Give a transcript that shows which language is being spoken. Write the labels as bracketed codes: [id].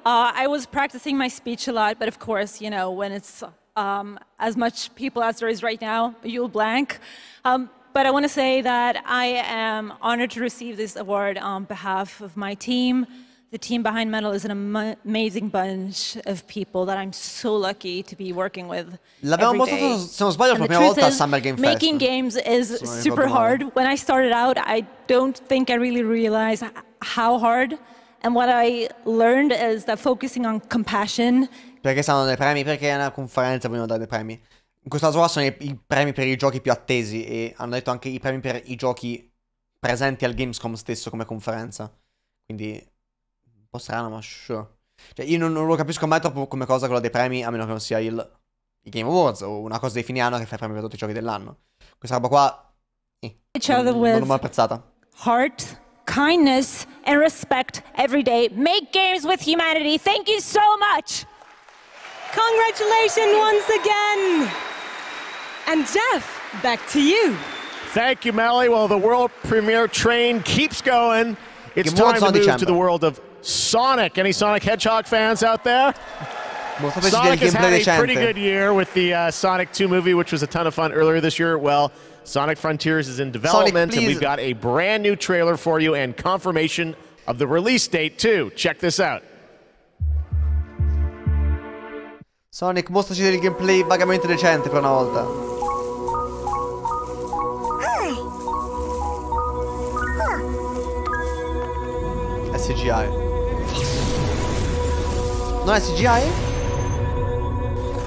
[en] I was practicing my speech a lot, but of course, you know, when it's as much people as there is right now, you'll blank. But I want to say that I am honored to receive this award on behalf of my team. The team behind Metal is an amazing bunch of people that I'm so lucky to be working with. [it] L'abbiamo mostrato, se non sbaglio, la prima volta a Summer Game Fest. [en] Making games is super hard. When I started out, I don't think I really realized how hard. And what I learned is that focusing on compassion. [it] Perché stanno dei premi? Perché è una conferenza, vogliono dare dei premi. In questa zona sono i premi per i giochi più attesi e hanno detto anche i premi per i giochi presenti al Gamescom stesso come conferenza. Quindi strano, ma sure. Cioè, io non lo capisco mai troppo come cosa quello dei premi, a meno che non sia il Game Awards o una cosa di fine anno che fa i premi per tutti i giochi dell'anno. Questa roba qua non l'ho mai apprezzata. [en] Heart, kindness and respect every day. Make games with humanity. Thank you so much. Congratulations once again. And Jeff, back to you. Thank you, Melly. Well, the world premiere train keeps going. It's time to move to the world of Sonic. Any Sonic Hedgehog fans out there? Sonic has had a pretty good year with the Sonic 2 movie, which was a ton of fun earlier this year. Well, Sonic Frontiers is in development, Sonic, and we've got a brand new trailer for you and confirmation of the release date, too. Check this out. [it] Sonic, mostraci del gameplay vagamente decente per una volta. SGI. No, SGI?